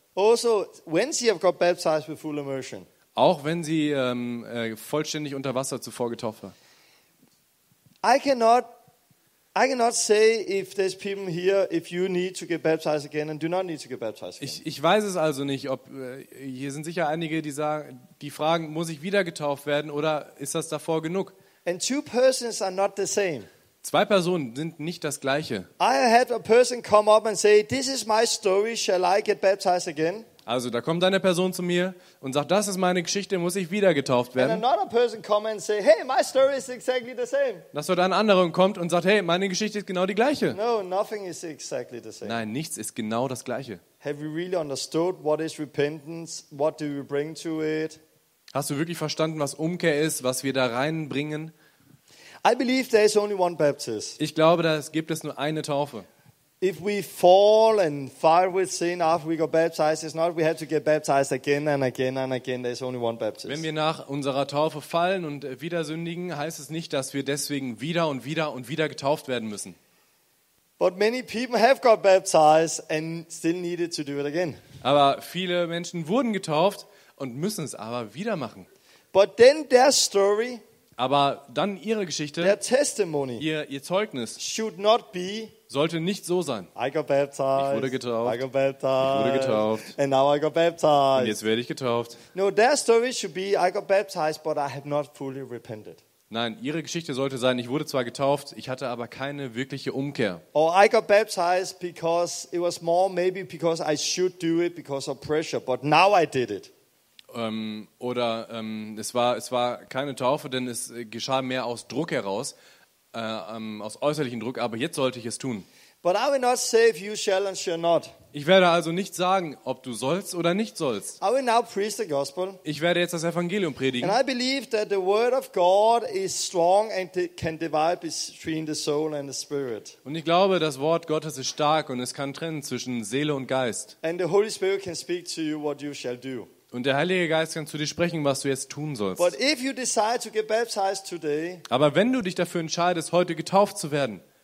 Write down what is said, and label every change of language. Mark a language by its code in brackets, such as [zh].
[en] Also, when she have got baptized with full immersion. [de] Auch wenn sie vollständig unter Wasser zuvor getauft war. [en] I cannot say if there's people here if you need to get baptized again and do not need to get baptized again. [de] Ich weiß es also nicht, ob hier sind sicher einige, die sagen, die fragen, muss ich wieder getauft werden oder ist das davor genug? [en] And two persons are not the same. [de] Zwei Personen sind nicht das gleiche. [en] I had a person come up and say, this is my story, shall I get baptized again? [de] Also da kommt eine Person zu mir und sagt, das ist meine Geschichte, muss ich wieder getauft werden. [en] And another person comes and say, hey, my story is exactly the same. [de] Das wird ein anderer und kommt und sagt, hey, meine Geschichte ist genau die gleiche. [en] No, nothing is exactly the same. [de] Nein, nichts ist genau das gleiche. [en] Have you really understood what is repentance? What do you bring to it? [de] Hast du wirklich verstanden, was Umkehr ist, was wir da reinbringen? [en] I believe there is only one baptism. [de] Ich glaube, da gibt es nur eine Taufe. [en] If we fall and fire with sin after we got baptized, it's not we have to get baptized again and again and again. There's only one baptism. [de] Wenn wir nach unserer Taufe fallen und wieder sündigen, heißt es nicht, dass wir deswegen wieder und wieder und wieder getauft werden müssen. [en] But many people have got baptized and still needed to do it again. [de] Aber viele Menschen wurden getauft und müssen es aber wieder machen. [en] But then their story, [de] aber dann ihre Geschichte, [en] their testimony, [de] ihr Zeugnis, [en] should not be, [de] sollte nicht so sein. [en] I got baptized, [de] ich wurde getauft. [en] I got baptized, [de] ich wurde getauft. [en] And now I got baptized. [de] Und jetzt werde ich getauft. [en] No, their story should be, I got baptized, but I have not fully repented. [de] Nein, ihre Geschichte sollte sein, ich wurde zwar getauft, ich hatte aber keine wirkliche Umkehr. [en] Or I got baptized because it was more maybe because I should do it because of pressure, but now I did it. [de] Es war keine Taufe, denn es geschah mehr aus Druck heraus. Aus äußerlichem Druck, aber jetzt sollte ich es tun. [en] But I will not say if you shall and shall not. [de] Ich werde also nicht sagen, ob du sollst oder nicht sollst. [en] I will now preach the gospel. [de] Ich werde jetzt das Evangelium predigen. [en] And I believe that the word of God is strong and can divide between the soul and the spirit. [de] Und ich glaube, das Wort Gottes ist stark und es kann trennen zwischen Seele und Geist. [en] And the Holy Spirit can speak to you what you shall do. [de] Und der Heilige Geist kann zu dir sprechen, was du jetzt tun sollst. [en] But if you decide to get baptized today, [de] aber wenn du dich dafür entscheidest, heute getauft zu werden,